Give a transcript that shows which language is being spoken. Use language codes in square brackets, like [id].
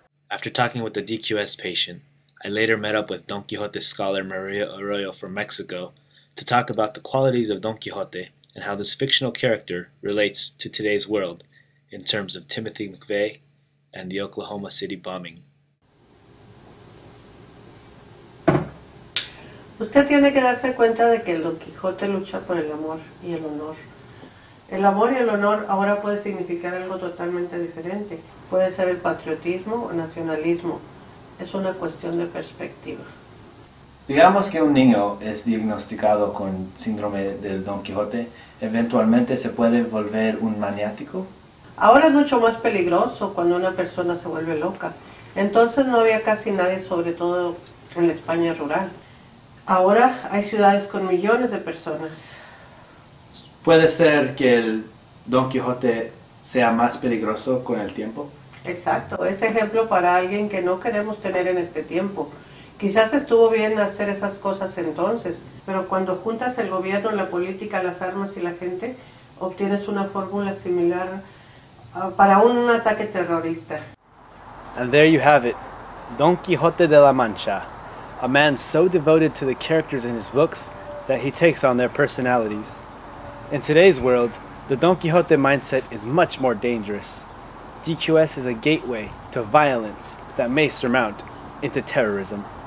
[en] After talking with the DQS patient, I later met up with Don Quixote scholar Maria Arroyo from Mexico to talk about the qualities of Don Quixote and how this fictional character relates to today's world in terms of Timothy McVeigh and the Oklahoma City bombing. [es] Usted tiene que darse cuenta de que Don Quixote lucha por el amor y el honor. El amor y el honor ahora puede significar algo totalmente diferente. Puede ser el patriotismo o nacionalismo. Es una cuestión de perspectiva. Digamos que un niño es diagnosticado con síndrome del Don Quijote, ¿eventualmente se puede volver un maniático? Ahora es mucho más peligroso cuando una persona se vuelve loca. Entonces no había casi nadie, sobre todo en la España rural. Ahora hay ciudades con millones de personas. ¿Puede ser que el Don Quijote sea más peligroso con el tiempo? Exacto, es ejemplo para alguien que no queremos tener en este tiempo. Quizás estuvo bien hacer esas cosas entonces, pero cuando juntas el gobierno, la política, las armas y la gente, obtienes una fórmula similar para un ataque terrorista. [en] And there you have it, Don Quijote de la Mancha, a man so devoted to the characters in his books that he takes on their personalities. In today's world, the Don Quixote mindset is much more dangerous. DQS is a gateway to violence that may surmount into terrorism.